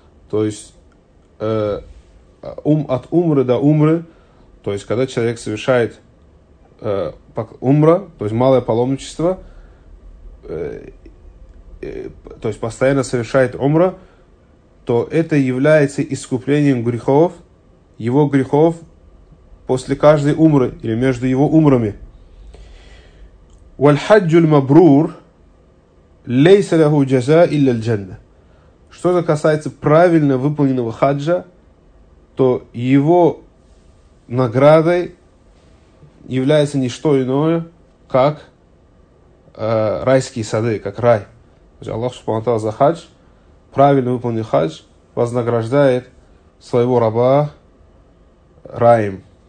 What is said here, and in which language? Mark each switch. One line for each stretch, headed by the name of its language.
Russian: То есть от умры до умры, то есть когда человек совершает умра, то есть малое паломничество, то есть постоянно совершает умра, то это является искуплением грехов, его грехов после каждой умры или между его умрами.
Arabic: والحج المبرور ليس له جزاء إلا الجنة.
Russian: Что же касается правильно выполненного хаджа, то его наградой является не что иное, как райские сады, как рай. То есть Аллах Субхану Тааля за хадж, правильно выполненный хадж, вознаграждает своего раба раем.